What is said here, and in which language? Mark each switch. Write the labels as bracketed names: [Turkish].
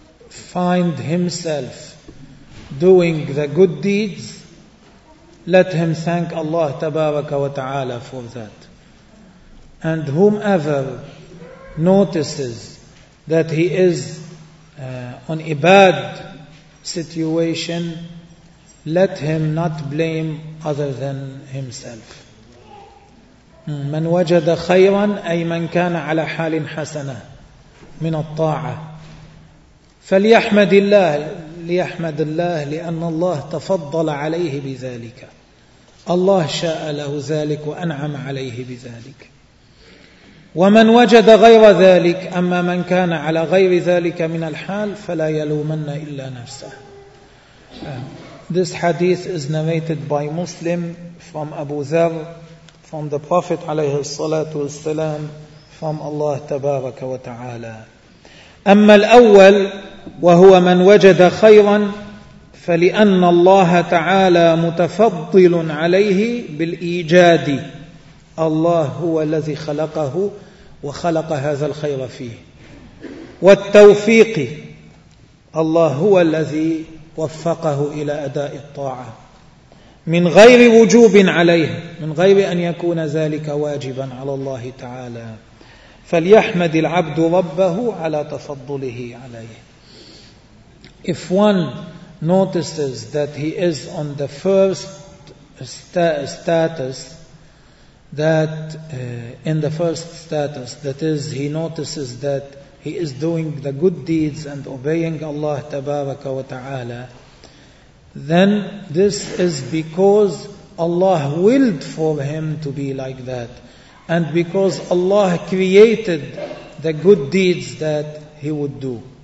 [English] find himself doing the good deeds, let him thank Allah Tabaraka wa Ta'ala for that. And whomever notices that he is on a bad situation, let him not blame other than himself. [Arabic] من وجد خيرا أي من كان على حال حسنة من الطاعة فليحمد الله, ليحمد الله لأن الله تفضل عليه بذلك, الله شاء له ذلك وأنعم عليه بذلك. ومن وجد غير ذلك, أما من كان على غير ذلك من الحال فلا يلومن إلا نفسه. [English] This hadith is narrated by Muslim from Abu Dharr, from the Prophet [Arabic] عليه الصلاة والسلام, [English] from Allah [Arabic] تبارك وتعالى. أما الأول وهو من وجد خيرا فلأن الله تعالى متفضل عليه بالإيجاد, الله هو الذي خلقه وخلق هذا الخير فيه, والتوفيق, الله هو الذي وفقه إلى أداء الطاعة من غير وجوب عليه, من غير أن يكون ذلك واجبا على الله تعالى, فليحمد العبد ربه على تفضله عليه. [English] If one notices that he is on the first status, that in the first status, that is, he notices that he is doing the good deeds and obeying Allah Tabaraka wa Ta'ala, then this is because Allah willed for him to be like that, and because Allah created the good deeds that he would do.